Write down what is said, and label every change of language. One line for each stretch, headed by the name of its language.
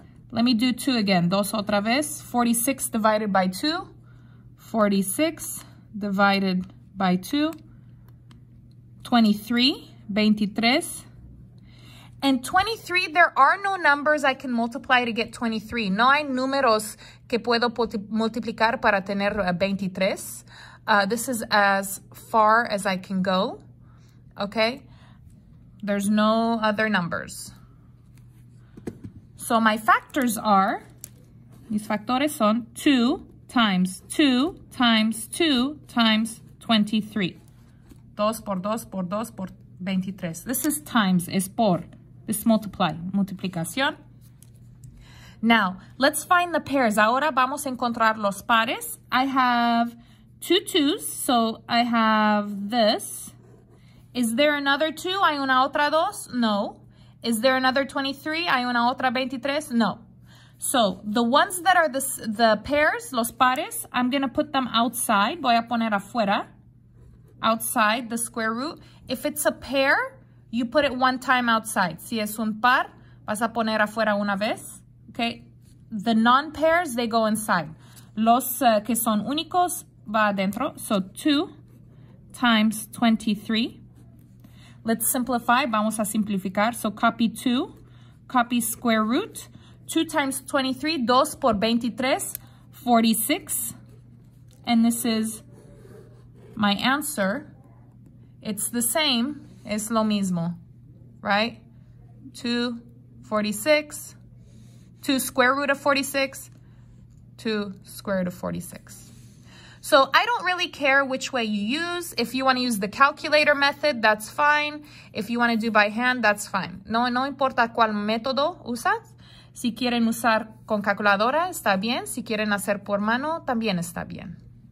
English: Let me do 2 again.
Spanish: 2 otra vez.
English: 46 divided by 2. 46 divided by 2. 23. 23. And 23, there are no numbers I can multiply to get 23.
Spanish: No hay números que puedo multiplicar para tener 23.
English: This is as far as I can go. Okay? There's no other numbers. So my factors are,
Spanish: mis factores son
English: 2 times 2 times 2 times 23.
Spanish: 2 por 2 por 2 por 23.
English: This is times,
Spanish: es por.
English: This multiply, multiplicación. Now, let's find the pairs.
Spanish: Ahora vamos a encontrar los pares.
English: I have two twos, so I have this. Is there another 2?
Spanish: Hay una otra dos? No.
English: Is there another 23?
Spanish: Hay una otra 23? No.
English: So the ones that are the pairs,
Spanish: los pares,
English: I'm going to put them outside.
Spanish: Voy a poner afuera,
English: outside the square root. If it's a pair, you put it one time outside.
Spanish: Si es un par, vas a poner afuera una vez.
English: Okay. The non-pairs, they go inside.
Spanish: Los que son únicos, va adentro.
English: So 2 times 23. Let's simplify.
Spanish: Vamos a simplificar.
English: So copy 2, copy square root. 2 times 23,
Spanish: 2 por 23,
English: 46. And this is my answer. It's the same.
Spanish: Es lo mismo,
English: right? 2, 46, 2 square root of 46, 2 square root of 46. So I don't really care which way you use. If you want to use the calculator method, that's fine. If you want to do by hand, that's fine.
Spanish: No importa cuál método usas. Si quieren usar con calculadora, está bien. Si quieren hacer por mano, también está bien.